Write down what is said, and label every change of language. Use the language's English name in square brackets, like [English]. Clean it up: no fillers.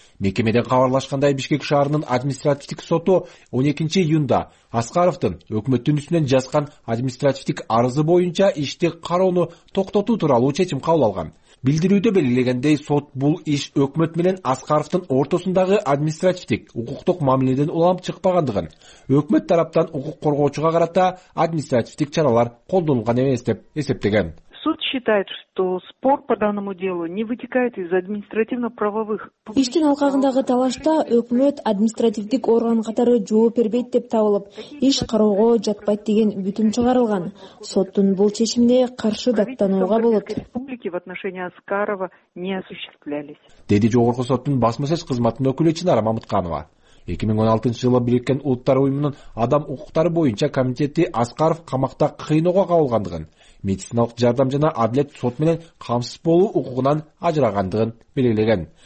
[Kyrgyz] Мекемеден кабарлашкандай, Бишкек шаарынын административдик соту 12-июнда Аскаровдун өкмөттүн үстүнөн жазган административдик арызы боюнча ишти кароону токтотуу тууралуу чечим кабыл алган. Билдирүүдө белгилегендей, сот бул иш өкмөт менен Аскаровдун ортосундагы административдик укуктук мамиледен улам чыкпагандыгын, өкмөт тараптан укук коргоочуга карата административдик чаралар колдонулган эмес деп эсептеген. [Russian] Суд считает, что спор по данному делу не вытекает из административно-правовых. [Kyrgyz] Иштин алкагындагы талашта өкмөт административдик орган катары жооп бербейт деп табылып, иш кароого жатпайт деген бүтүм чыгарылган. Соттун бул чечимине каршы даттанууга болот. [Russian] Республики в отношении Аскарова не осуществлялись. [Kyrgyz] Деди жогорку соттун басмасөз кызматынын өкүлү Чынара Мамытканова. 2016-жылы Бириккен Улуттар Уюмунун адам укуктары боюнча комитети Аскаров камакта кыйноого кабылгандыгын, медициналык жардам жана адилет сот менен камсыз болуу укугунан ажырагандыгын белгилеген.